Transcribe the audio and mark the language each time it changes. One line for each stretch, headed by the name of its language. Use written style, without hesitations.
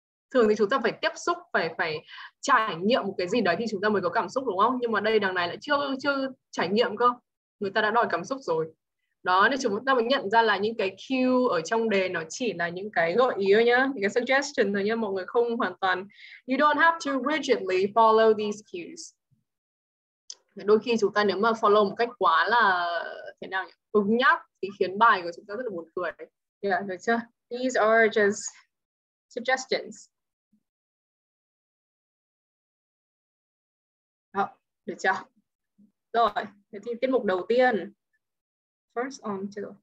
Vietnamese: Thường thì chúng ta phải tiếp xúc, phải trải nghiệm một cái gì đấy thì chúng ta mới có cảm xúc đúng không? Nhưng mà đây đằng này lại chưa trải nghiệm cơ. Người ta đã đòi cảm xúc rồi. Đó, nên chúng ta mới nhận ra là những cái cue ở trong đề nó chỉ là những cái gợi ý thôi nhá, những cái suggestion thôi nhá, mọi người không hoàn toàn.
English: You don't have to rigidly follow these cues.
Vietnamese: Đôi khi chúng ta nếu mà follow một cách quá là thế nào nhỉ? Cứng nhắc thì khiến bài của chúng ta rất là buồn cười. Yeah, được chưa?
English: These are just suggestions.
Vietnamese: Đó, được chưa? Rồi, thế thì tiết mục đầu tiên.
English: First on to.